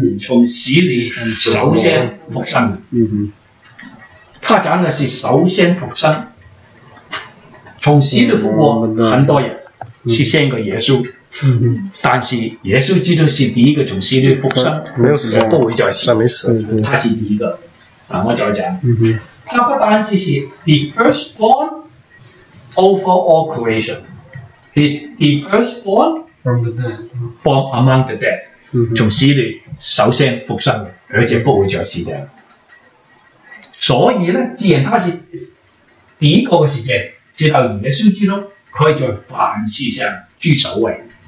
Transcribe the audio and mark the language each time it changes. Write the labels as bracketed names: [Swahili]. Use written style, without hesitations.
[Chinese] 从死里首先复生。他讲的是首先复生，从死里复活很多人是先个耶稣，但是耶稣基督是第一个从死里复生，没有死，不会再死，没死，他是第一个。我再讲。 [English] 他不单只是 the firstborn over all creation， he's the firstborn from the dead， [Chinese] from among the dead，从死里首先复生，而且不会再死掉。所以呢，既然他是第一个嘅时间，直到耶稣基督，可以在凡事上居首位。